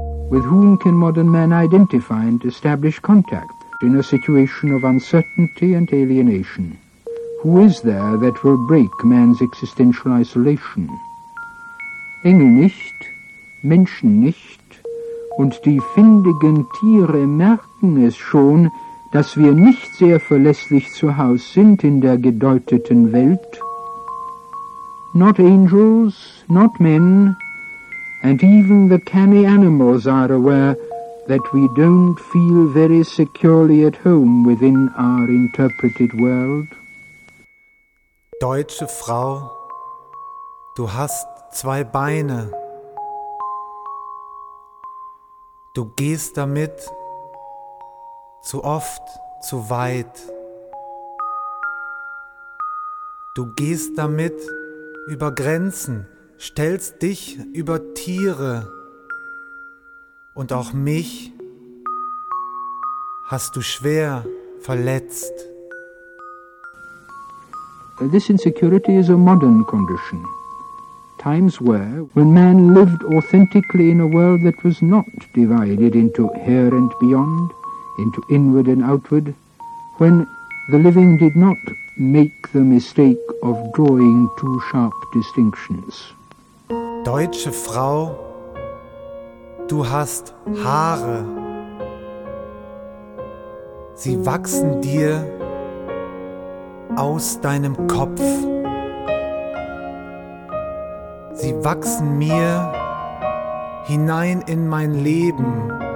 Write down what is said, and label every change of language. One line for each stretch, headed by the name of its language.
English: With whom can modern man identify and establish contact in a situation of uncertainty and alienation? Who is there that will break man's existential isolation?
German: Engel nicht, Menschen nicht, und die findigen Tiere merken es schon, dass wir nicht sehr verlässlich zu Hause sind in der gedeuteten Welt.
English: Not angels, not men, and even the canny animals are aware that we don't feel very securely at home within our interpreted world.
German: Deutsche Frau, du hast zwei Beine. Du gehst damit zu oft zu weit. Du gehst damit über Grenzen, stellst dich über Tiere. Und auch mich hast du schwer verletzt.
English: This insecurity is a modern condition. Times were when man lived authentically in a world that was not divided into here and beyond, into inward and outward, when the living did not make the mistake of drawing too sharp distinctions.
German: Deutsche Frau, du hast Haare. Sie wachsen dir aus deinem Kopf. Sie wachsen mir hinein in mein Leben.